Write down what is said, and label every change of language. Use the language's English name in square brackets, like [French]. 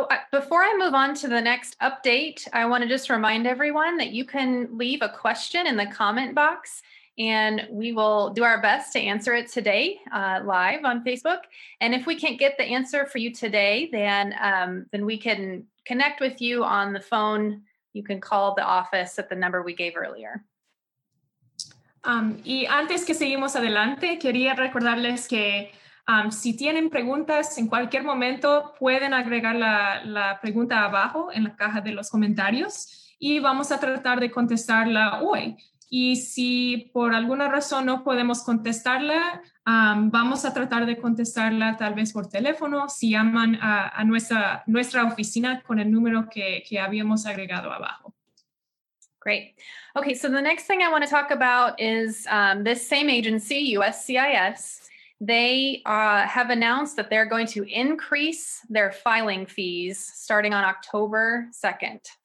[English] Before I move on to the next update, I want to just remind everyone that you can leave a question in the comment box and we will do our best to answer it today live on Facebook. And if we can't get the answer for you today, then we can connect with you on the phone. You can call the office at the number we gave earlier. [Spanish] Y antes que seguimos adelante, quería recordarles que si tienen preguntas en cualquier momento, pueden agregar la pregunta abajo en la caja de los comentarios y vamos a tratar de contestarla hoy. Y si por alguna razón no podemos contestarla, vamos a tratar de contestarla tal vez por teléfono, si llaman a nuestra oficina con el número que habíamos agregado abajo. [English] Great. Okay, so the next thing I want to talk about is this same agency, USCIS. They have announced that they're going to increase their filing fees starting on October 2nd.